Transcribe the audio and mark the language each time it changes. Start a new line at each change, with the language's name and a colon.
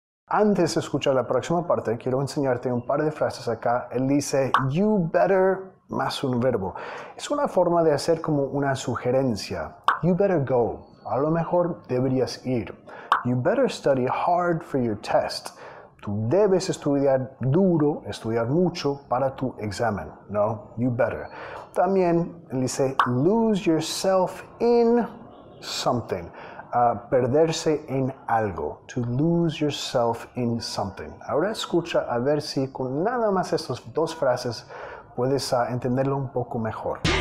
Spanish: Antes de escuchar la próxima parte, quiero enseñarte un par de frases acá. Él dice, you better, más un verbo. Es una forma de hacer como una sugerencia.
English: You better go.
Spanish: A lo mejor deberías ir.
English: You better study hard for your test.
Spanish: Tú debes estudiar duro, estudiar mucho para tu examen, ¿no? You better. También él dice,
English: lose yourself in something.
Spanish: Perderse en algo.
English: To lose yourself in something.
Spanish: Ahora escucha a ver si con nada más estas dos frases puedes entenderlo un poco mejor.